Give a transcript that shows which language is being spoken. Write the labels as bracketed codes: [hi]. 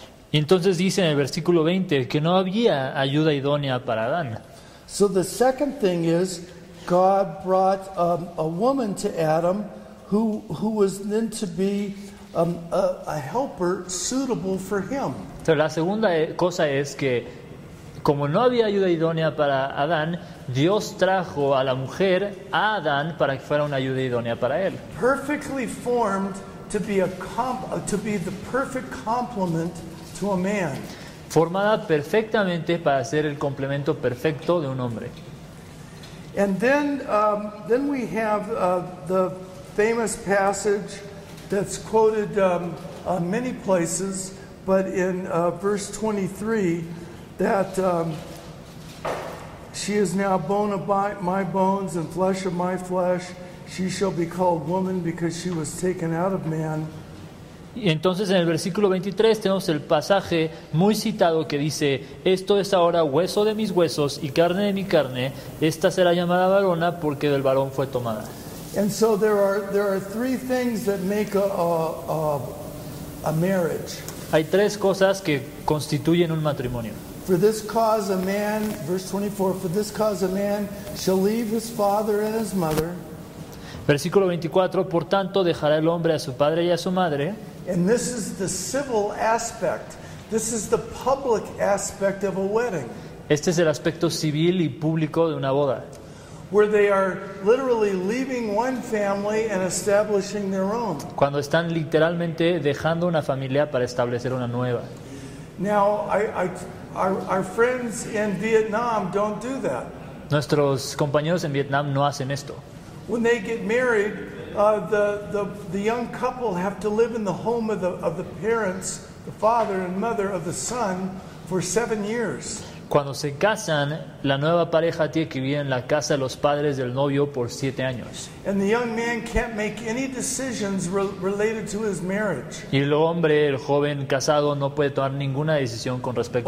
[es] Y entonces dice en el versículo 20 que no había ayuda idónea para Adán. [en] So the second thing is God brought a woman to Adam who was then to be a helper suitable for him. [es] Pero la segunda cosa es que como no había ayuda idónea para Adán, Dios trajo a la mujer a Adán para que fuera una ayuda idónea para él. [en] Perfectly formed to be the perfect complement to a man. [es] Formada perfectamente para ser el complemento perfecto de un hombre. [en] And then we have the famous passage that's quoted many places, but in verse 23, that she is now bone of my bones and flesh of my flesh. She shall be called woman because she was taken out of man. [es] Y entonces en el versículo 23 tenemos el pasaje muy citado que dice, esto es ahora hueso de mis huesos y carne de mi carne. Esta será llamada varona porque del varón fue tomada. [en] And so there are three things that make a marriage. [es] Hay tres cosas que constituyen un matrimonio. [en] For this cause a man, verse 24, for this cause a man shall leave his father and his mother. [es] Versículo 24, por tanto dejará el hombre a su padre y a su madre. [en] And this is the civil aspect. This is the public aspect of a wedding. [es] Este es el aspecto civil y público de una boda. [en] Where they are literally leaving one family and establishing their own. [es] Cuando están literalmente dejando una familia para establecer una nueva. [en] Now, our friends in Vietnam don't do that. [es] Nuestros compañeros en Vietnam no hacen esto. [en] When they get married, the young couple have to live in the home of the parents, the father and mother of the son, for 7 years. [es] Cuando se casan, la nueva pareja tiene que vivir en la casa de los padres del novio por 7 años. [en] And the young man can't make any decisions related to his marriage. [es] Y el hombre, el joven casado, no puede tomar ninguna decisión con respecto